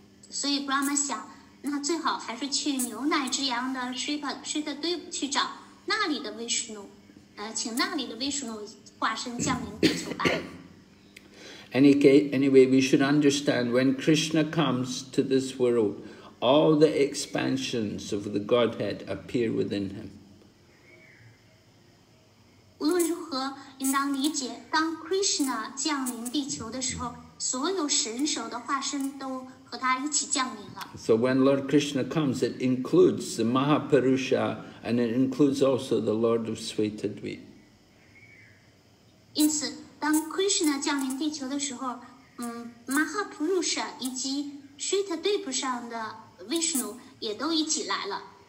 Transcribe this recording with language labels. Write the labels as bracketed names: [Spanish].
[Chinese] 所以 Brahma 想，那最好还是去牛奶之洋的 Shrikadvip 去找那里的 Vishnu， 请那里的 Vishnu 化身降临地球吧。 [English] Anyway, we should understand when Krishna comes to this world. All the expansions of the Godhead appear within him. [Chinese] 无论如何，应当理解，当 Krishna 降临地球的时候，所有神兽的化身都和他一起降临了。 [English] So when Lord Krishna comes, it includes the Mahapurusha and it includes also the Lord of Svetadvip. [Chinese] 因此，当 Krishna 降临地球的时候，Mahapurusha 以及 Svetadvip 上的Vishnu 也都一起来了。